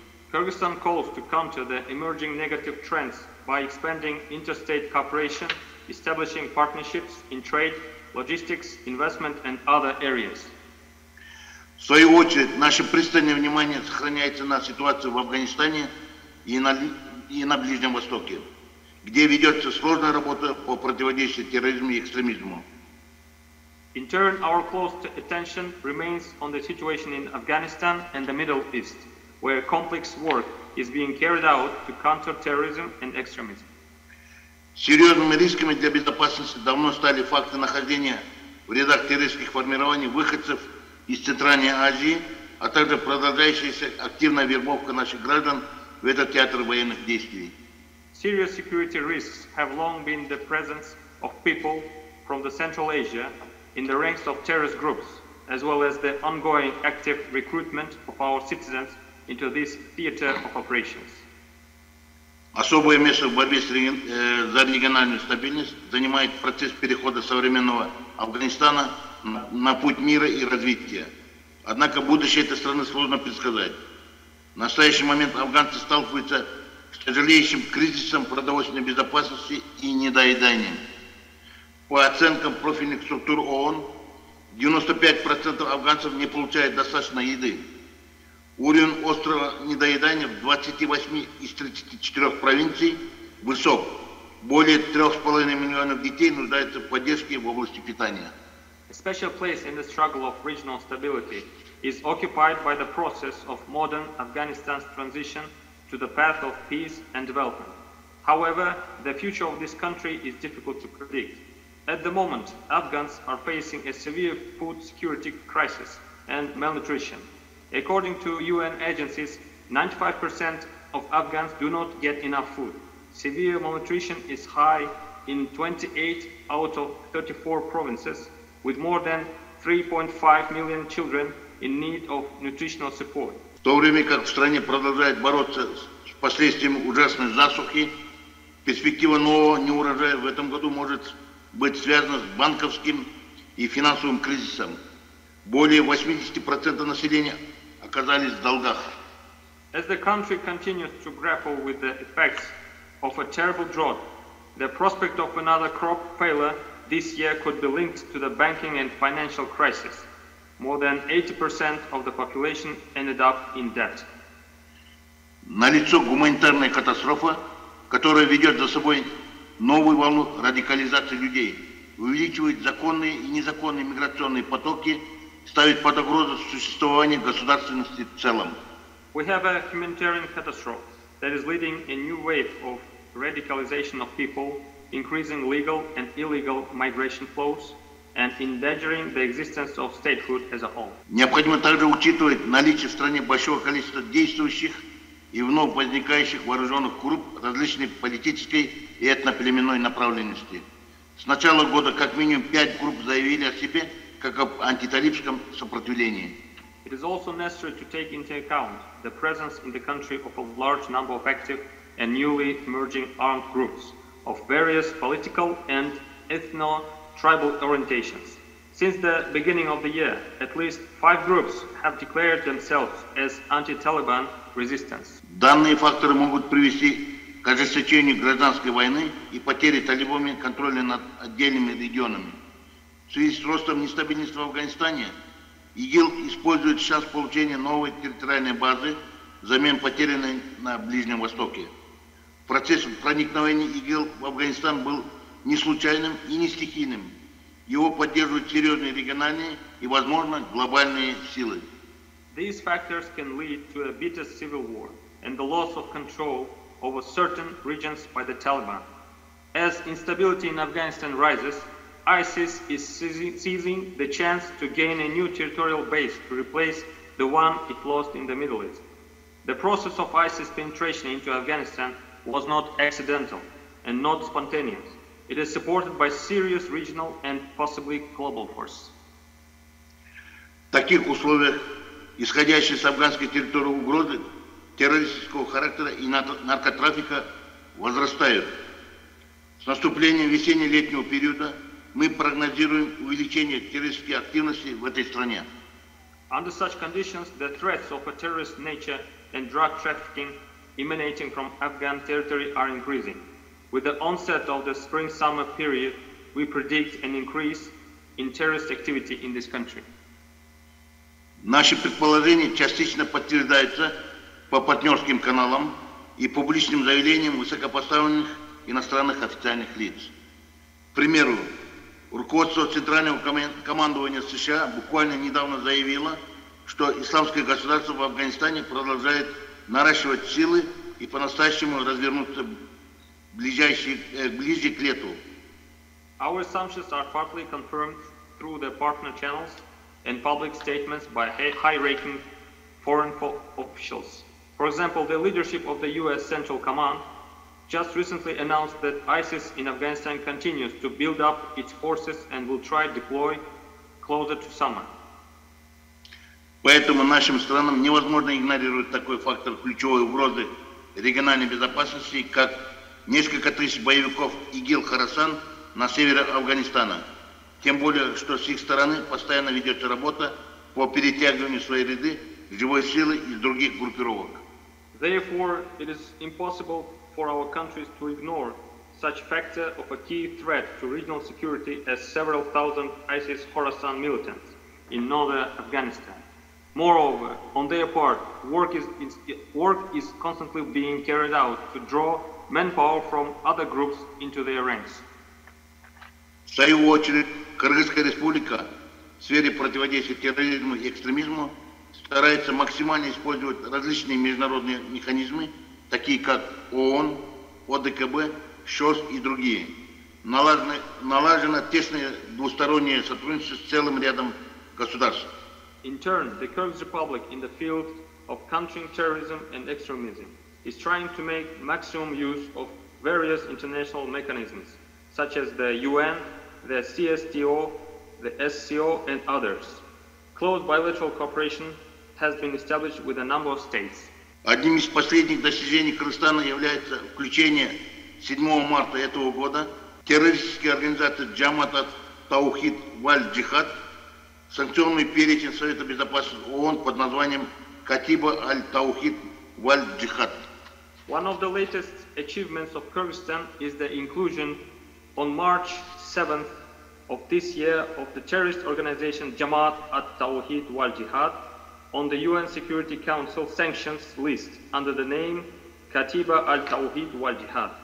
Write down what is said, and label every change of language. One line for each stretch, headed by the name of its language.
English: Kyrgyzstan calls to counter the emerging negative trends by expanding interstate cooperation, establishing partnerships in trade, logistics, investment and other areas.
Russian: В свою очередь, наше пристальное внимание сохраняется на ситуации в Афганистане и на Ближнем Востоке, где ведется сложная работа по противодействию терроризму и экстремизму.
English: In turn, our close attention remains on the situation in Afghanistan and the Middle East, where complex work is being carried out to counter terrorism and extremism.
Russian: Серьезными рисками для безопасности давно стали факты нахождения в рядах террористских формирований выходцев из Центральной Азии, а также продолжающаяся активная вербовка наших граждан в этот театр военных действий.
English: Serious security risks have long been the presence of people from the Central Asia in the ranks of terrorist groups, as well as the ongoing active recruitment of our citizens into this theater of operations.
Russian: Особое место в борьбе за региональную стабильность занимает процесс перехода современного Афганистана на путь мира и развития. Однако будущее этой страны сложно предсказать. В настоящий момент афганцы сталкиваются с тяжелейшим кризисом продовольственной безопасности и недоеданием. По оценкам профильных структур ООН, 95% афганцев не получают достаточно еды. Уровень острого недоедания в 28 из 34 провинций высок. Более 3,5 миллионов детей нуждаются в поддержке в области питания.
English: A special place in the struggle of regional stability is occupied by the process of modern Afghanistan's transition to the path of peace and development. However, the future of this country is difficult to predict. At the moment, Afghans are facing a severe food security crisis and malnutrition. According to UN agencies, 95% of Afghans do not get enough food. Severe malnutrition is high in 28 out of 34 provinces, with more than 3.5 million children in need of nutritional support.
Russian: В то время как в стране продолжает бороться с последствиями ужасной засухи, перспектива нового неурожая в этом году может быть связана с банковским и финансовым кризисом. Более 80% населения оказались в долгах.
English: As the country continues to grapple with the effects of a terrible drought, the prospect of another crop failure this year could be linked to the banking and financial crisis. More than 80% of the population ended up in debt.
Russian: Налицо гуманитарная катастрофа, которая ведет за собой новую волну радикализации людей, увеличивает законные и незаконные миграционные потоки, ставит под угрозу существование государственности в целом.
English: We have a humanitarian catastrophe that is leading a new wave of radicalization of people, increasing legal and illegal migration flows, and endangering the existence of statehood as a whole.
Russian: Необходимо также учитывать наличие в стране большого количества действующих и вновь возникающих вооруженных групп различной политической и этноплеменной направленности. С начала года как минимум 5 групп заявили о себе как об антиталибском сопротивлении.
English: It is also necessary to take into account the presence in the country of a large number of active and newly emerging armed groups of various political and ethno-tribal orientations. Since the beginning of the year, at least 5 groups have declared themselves as anti-Taliban resistance.
Russian: Данные факторы могут привести к ожесточению гражданской войны и потере талибами контроля над отдельными регионами. В связи с ростом нестабильности в Афганистане, ИГИЛ использует сейчас получение новой территориальной базы взамен потерянной на Ближнем Востоке. Процесс проникновения ИГИЛ в Афганистан был не случайным и не стихийным. Его поддерживают серьезные региональные и, возможно, глобальные силы.
English: These factors can lead to a bitter civil war and the loss of control over certain regions by the Taliban. As instability in Afghanistan rises, ISIS is seizing the chance to gain a new territorial base to replace the one it lost in the Middle East. The process of ISIS penetration into Afghanistan was not accidental and not spontaneous. It is supported by serious regional and possibly global forces.
Russian: Таких условиях, исходящих с афганской территории угрозы террористического характера и наркотрафика возрастают. С наступлением весенне-летнего периода мы прогнозируем увеличение террористической активности в этой стране.
English: Under such conditions, the threats of a terrorist nature and drug trafficking emanating from Afghan territory are increasing. With the onset of the spring-summer period, we predict an increase in terrorist activity in this country.
Russian: Наши предположения частично подтверждаются по партнерским каналам и публичным заявлениям высокопоставленных иностранных официальных лиц. К примеру, руководство Центрального командования США буквально недавно заявило, что исламское государство в Афганистане продолжает наращивать силы и по-настоящему развернуться ближе к лету.
English: Our assumptions are partly confirmed through the partner channels and public statements by high-ranking foreign officials. For example, the leadership of the US Central Command just recently announced that ISIS in Afghanistan continues to build up its forces and will try to deploy closer to summer.
Russian: Поэтому нашим странам невозможно игнорировать такой фактор ключевой угрозы региональной безопасности, как несколько тысяч боевиков ИГИЛ-Хорасан на севере Афганистана. Тем более, что с их стороны постоянно ведется работа по перетягиванию своей ряды живой силы из других группировок.
English: Therefore, it is impossible for our countries to ignore such factor of a key threat to regional security as several thousand ISIS Khorasan militants in northern Afghanistan. Moreover, on their part, work is constantly being carried out to draw manpower from other groups into their ranks.
Russian: В свою очередь, Кыргызская Республика в сфере противодействия терроризму и экстремизму старается максимально использовать различные международные механизмы, такие как ООН, ОДКБ, ШОС и другие. Налажено тесное двустороннее сотрудничество с целым рядом государств.
English: In turn, the Kyrgyz Republic in the field of countering terrorism and extremism is trying to make maximum use of various international mechanisms, such as the UN, the CSTO, the SCO and others. Close bilateral cooperation has been established with a number of states.
Russian: Одним из последних достижений Кыргызстана является включение 7 марта этого года террористической организации Джамат Таухид Валь Джихад в санкционный перечень Совета Безопасности ООН под названием Катиба Аль Таухид Валь Джихад.
English: One of the latest achievements of Kyrgyzstan is the inclusion on March 7th of this year of the terrorist organization Jamaat at-Tawhid wal-Jihad on the UN Security Council sanctions list under the name Katiba al-Tawhid wal-Jihad.